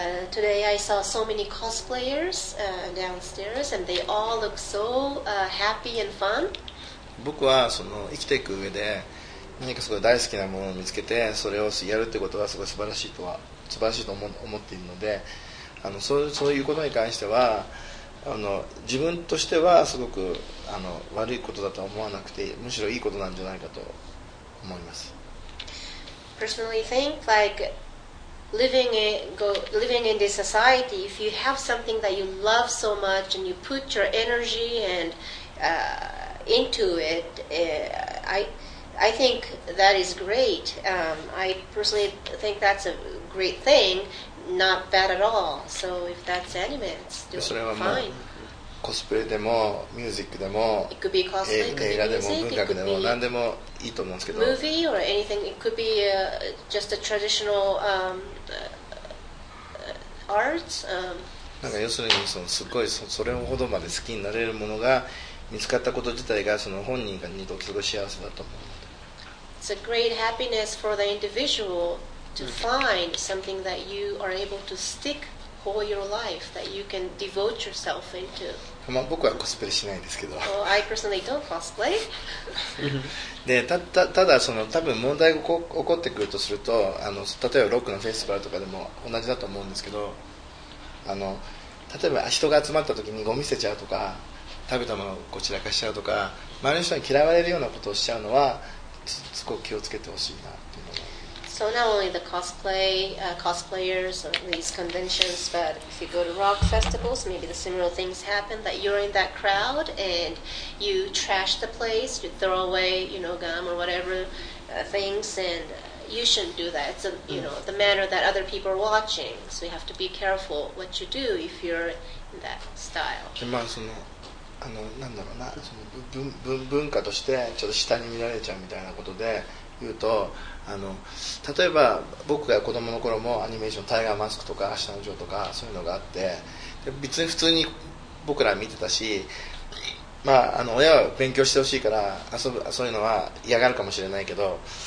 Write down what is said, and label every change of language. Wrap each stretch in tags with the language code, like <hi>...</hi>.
<en>Today I saw so many cosplayers downstairs and they all look so happy and fun.</en> <ja>僕はその生きていく上で何かすごい大好きなものを見つけてそれをやるってことはすごい素晴らしいと 思っているので、そういうことに関しては自分としてはすごく悪いことだとは思わなくて、むしろいいことなんじゃないかと思います。</ja> <en>Personally think likeLiving in this society, if you have something that you love so much and you put your energy and into it, I think that is great. I personally think that's a great thing, not bad at all. So if that's anime, it's doing fine.</en> <ja>コスプレでもミュージックでも映画でも文学でも何でもいいと思うんですけど、</ja> <en>movie or anything, it could be just a traditional arts.</en> <ja>なんか要するにすごいそれほどまで好きになれるものが見つかったこと自体がその本人にとってすごい幸せだと思う。</ja> <en>It's a great happiness for the individual to find something that you are able to stick all your life, that you can devote yourself into.</en> <ja>まあ僕はコスプレしないですけど。</ja> <en>Oh, I personally don't cosplay.</en> <ja>で、ただその多分問題が起こってくるとすると、例えばロックのフェスティバルとかでも同じだと思うんですけど、例えば人が集まった時にゴミ捨てちゃうとか、食べたものをこちらかしちゃうとか、周りの人に嫌われるようなことをしちゃうのは、すごく気をつけてほしいな。</ja> <en>So not only the cosplay, cosplayers or these conventions, but if you go to rock festivals, maybe the similar things happen, that you're in that crowd and you trash the place, you throw away, you know, gum or whatever things, and you shouldn't do that. It's a, you know, the manner that other people are watching, so you have to be careful what you do if you're in that style.</en> <ja>まあその、なんだろうな、その文化としてちょっと下に見られちゃうみたいなことで言うと、例えば僕が子供の頃もアニメーションタイガーマスクとか明日のジョーとかそういうのがあって、で別に普通に僕ら見てたし、まあ、親は勉強してほしいから遊ぶそういうのは嫌がるかもしれないけど、</ja>